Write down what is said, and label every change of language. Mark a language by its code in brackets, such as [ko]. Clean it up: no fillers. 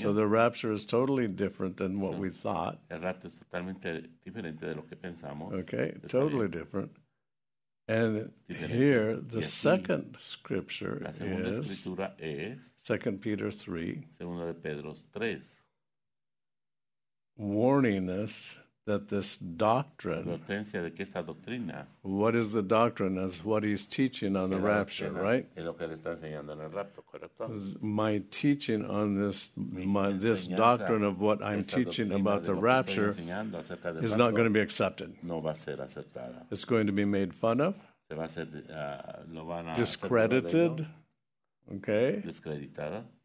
[en] So the rapture is totally different than what we thought. [es] El rapto es totalmente diferente de lo que pensamos. [en] Okay, totally different. And [es] diferente. [en] Here, the second scripture [es] la segunda [en] is [es] escritura es [en] 2 Peter 3, [es] segunda de Pedro 3, [en] warning us that this doctrine, [es] la advertencia de que esta doctrina, [en] what is the doctrine is what he's teaching on the rapture, [es] doctrina, [en] right? [es] Es lo que le está enseñando en el rapto, ¿correcto? [en] My teaching on this, this doctrine of what I'm teaching about the rapture [es] del [en] is [es] rapto, [en] not going to be accepted. [es] No va a ser aceptada. [en] It's going to be made fun of. [es] Se va a ser, lo van a [en] discredited. Okay. [es] Discreditada.